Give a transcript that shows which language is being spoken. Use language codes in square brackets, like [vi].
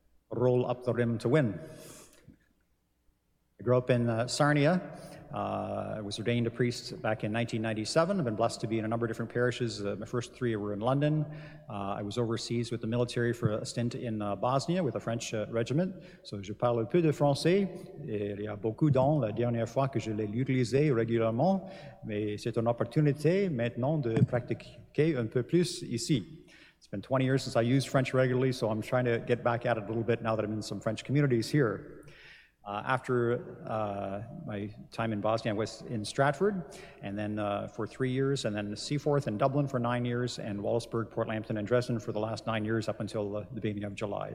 [en] Roll up the rim to win. I grew up in Sarnia. I was ordained a priest back in 1997. I've been blessed to be in a number of different parishes. My first three were in London. I was overseas with the military for a stint in Bosnia with a French regiment. [fr] So je parle un peu de français. Il y a beaucoup d'ans la dernière fois que je l'ai utilisé régulièrement, mais c'est une opportunité maintenant de pratiquer un peu plus ici. [en] It's been 20 years since I used French regularly, so I'm trying to get back at it a little bit now that I'm in some French communities here. After my time in Bosnia, I was in Stratford, and then for 3 years, and then Seaforth and Dublin for 9 years, and Wallaceburg, Portlampton, and Dresden for the last 9 years up until the beginning of July.